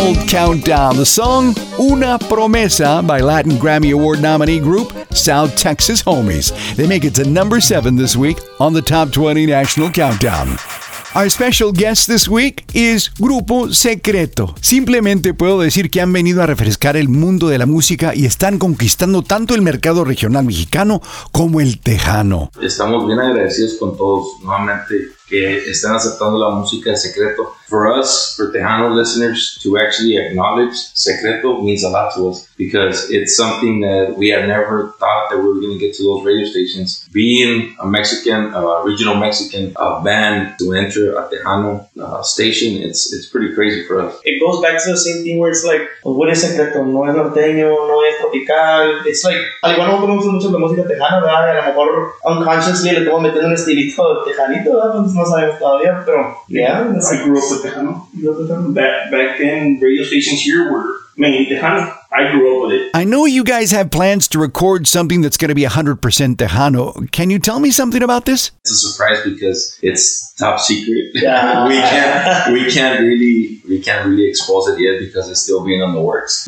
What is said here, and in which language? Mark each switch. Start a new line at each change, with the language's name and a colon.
English: Countdown, the song Una Promesa by Latin Grammy Award nominee group South Texas Homies. They make it to number 7 this week on the Top 20 National Countdown. Our special guest this week is Grupo Secreto.
Spanish: Simplemente puedo decir que han venido a refrescar el mundo de la música y están conquistando tanto el mercado regional mexicano como el tejano. Estamos bien agradecidos con todos nuevamente que están aceptando la música de Secreto.
English: For us, for Tejano listeners, to actually acknowledge Secreto means a lot to us because it's something that we had never thought that we were going to get to those radio stations. Being a Mexican, original Mexican band to enter a Tejano station, it's pretty crazy for us. It goes back to the same thing where it's like, what is Secreto?
Spanish: No es norteño, no es tropical.
English: It's like,
Spanish: al igual no conocemos mucho de música Tejana, ¿verdad? A lo mejor unconsciously le tengo metiendo un estilito Tejanito, ¿verdad? No sabemos todavía, pero, yeah.
English: I grew up with Tejano. Back then, radio stations here were, Tejano. I grew up with it. I know you guys have plans to record something that's going to be 100% Tejano. Can you tell me something about this? It's a surprise because it's top secret. Yeah. we can't really expose it yet because it's still being in the works.